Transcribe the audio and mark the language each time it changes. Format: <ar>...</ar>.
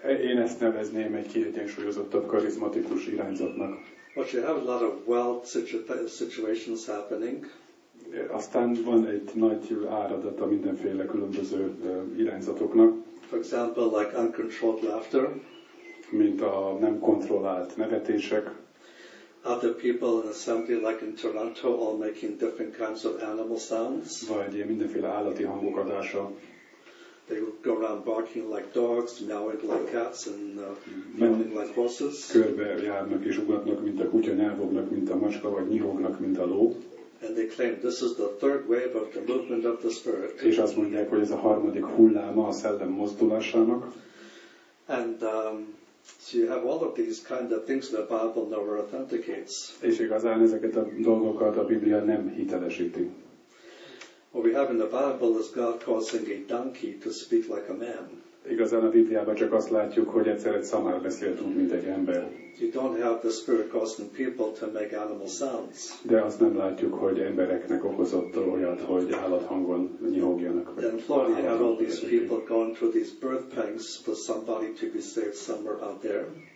<hu>Én ezt nevezném egy kiegyensúlyozottabb karizmatikus irányzatnak.</hu> <en>But you have a lot of wealth situations happening.</en> <hu>Aztán van egy nagy áradat a mindenféle különböző irányzatoknak.</hu> <en>For example, like uncontrolled laughter.</en> <hu>Mint a nem kontrollált nevetések.</hu> <en>Other people in assembly, like in Toronto, all making different kinds of animal sounds.</en> <hu>Vagy mindenféle állati hangok adása.</hu> <en>They would go around barking like dogs, meowing like cats, and meowing like horses.</en> <hu>Körbe járnak és ugatnak, mint a kutya, nyávognak, mint a macska, vagy nyihognak, mint a ló.</hu> <en>And they claim this is the third wave of the movement of the spirit.</en> <hu>És azt mondják, hogy ez a harmadik hulláma a szellem mozdulásának.</hu> <en>And so you have all of these kind of things the Bible never authenticates.</en> <hu>És igazán ezeket a dolgokat a Biblia nem hitelesíti.</hu> <en>What we have in the Bible is God causing a donkey to speak like a man.</en> <hu>Igazán a Bibliában csak azt látjuk, hogy egyszer egy szamár beszélt úgy, mint egy ember.</hu> <en>You don't have the spirit causing people to make animal sounds.</en> <hu>De azt nem látjuk, hogy embereknek okozott olyat, hogy állathangon nyihogjanak.</hu> <en>Then Florida, you have all these people going through these birth pangs for somebody to be saved somewhere out there.</en>